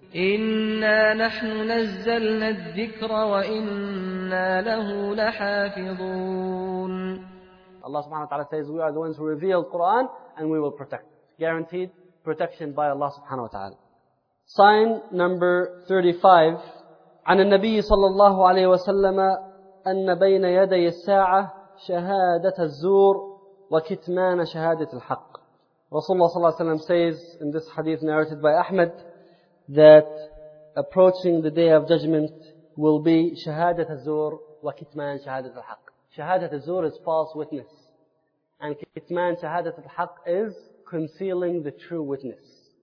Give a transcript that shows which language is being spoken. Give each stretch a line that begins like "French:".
Arabic: إِنَّا نَحْنُ نَزَّلْنَا الذِّكْرَ وَإِنَّا لَهُ لَحَافِظُونَ.
English: Allah subhanahu wa ta'ala says, we are the ones who revealed Qur'an and we will protect. Guaranteed protection by Allah subhanahu wa ta'ala. Sign number 35.
Arabic: عن النبي صلى الله عليه وسلم أن بين يدي الساعة شهادة الزور وكتمان شهادة الحق.
English: Rasulullah صلى الله عليه وسلم says in this hadith narrated by Ahmed that approaching the day of judgment will be
Arabic: شهادة الزور وكتمان شهادة الحق.
English: شهادة الزور is false witness. And كتمان شهادة الحق is concealing the true witness.